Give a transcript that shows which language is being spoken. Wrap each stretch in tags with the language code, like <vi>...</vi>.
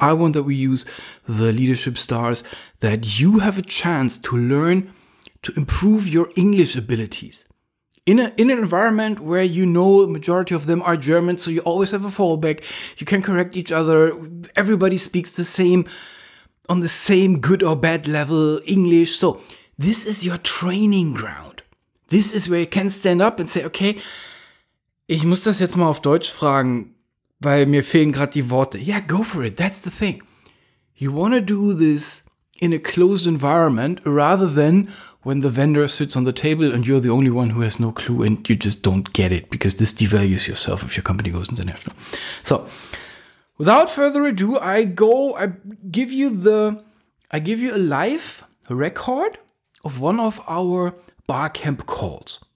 <en>I want that we use the Leadership Stars that you have a chance to learn to improve your English abilities in an environment where you know the majority of them are German, so you always have a fallback. You can correct each other. Everybody speaks the same, on the same good or bad level English. So this is your training ground. This is where you can stand up and say, okay,</en> <de>ich muss das jetzt mal auf Deutsch fragen, weil mir fehlen gerade die Worte.</de> <en>Yeah, go for it. That's the thing. You want to do this in a closed environment rather than when the vendor sits on the table and you're the only one who has no clue and you just don't get it, because this devalues yourself if your company goes international. So without further ado, I give you a live record of one of our barcamp calls.</en>